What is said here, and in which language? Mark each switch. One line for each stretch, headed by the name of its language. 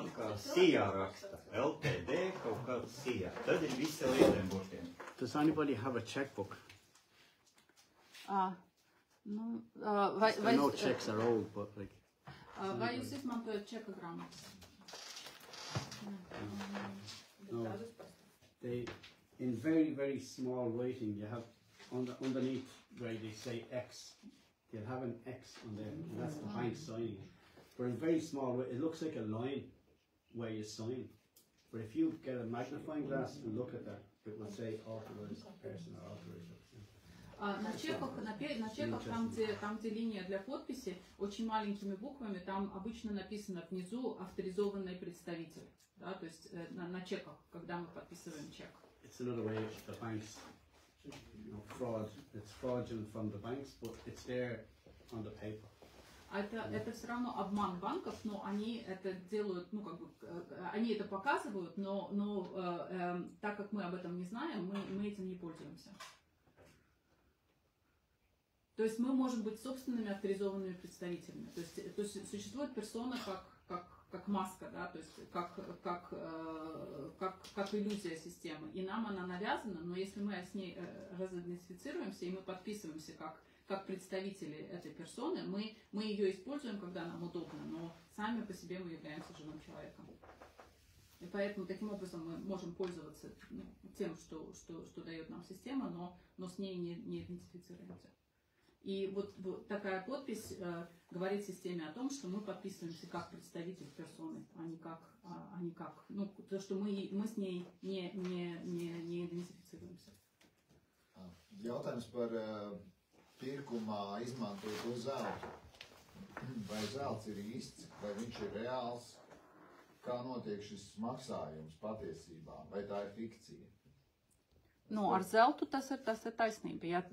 Latvian: Tad kā SIA raksta, LTD kaut kā SIA, tad ir visi lieliem burtiem.
English: Does anybody have a checkbook? No, I know checks are old, but like...
Latvian: Vai jūs izmantojat čeka grāmatas?
English: No. They, in very, very small writing, you have on the underneath where they say X, they'll have an X on there, and that's behind signing. But in very small, it looks like a line where you sign. But if you get a magnifying glass and look at that, it will say authorized person or authorized.
Russian: На чеках, на чеках там, где линия для подписи, очень маленькими буквами, там обычно написано внизу авторизованный представитель. Да, то есть на чеках, когда мы подписываем чек.
English: It's another way of the banks, you know, fraud. It's fraudulent from the banks, but it's there on the paper.
Russian: Это все равно обман банков, но они это делают, ну как бы они это показывают, но так как мы об этом не знаем, мы этим не пользуемся. То есть мы можем быть собственными авторизованными представителями. То есть существует персона как маска, да, то есть как иллюзия системы. И нам она навязана, но если мы с ней разидентифицируемся и мы подписываемся как представители этой персоны, мы ее используем, когда нам удобно, но сами по себе мы являемся живым человеком. И поэтому таким образом мы можем пользоваться тем, что дает нам система, но с ней не идентифицируемся. И вот такая подпись говорит системе о том, что мы подписываемся как представитель персоны, а не как. Ну, то, что мы с ней не идентифицируемся.
Latvian: Jautājums par pirkumā izmantoto zeltu. Vai zelts ir īsts, vai viņš ir reāls? Kā notiek šis maksājums patiesībā? Vai tā ir fikcija? Nu, ar zeltu tas ir taisnība.